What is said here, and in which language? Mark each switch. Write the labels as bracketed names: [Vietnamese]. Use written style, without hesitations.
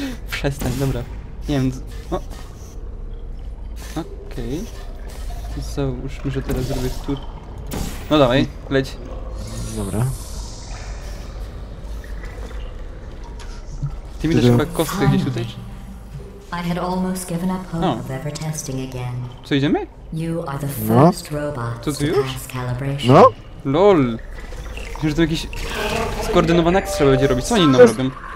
[Polish] Przestań, dobra. Nie wiem, o. Okej. Załóżmy, że teraz zrobię tu. No dawaj, leć. Dobra. Ty mi też chyba kostkę gdzieś tutaj? [English] I had almost given up hope of ever testing again. [Polish] Co idziemy? [English] You are the first robot to pass calibration. [Polish] No? LOL. Myślę, że to jakiś skoordynowany akt trzeba będzie robić. Co oni inną robią?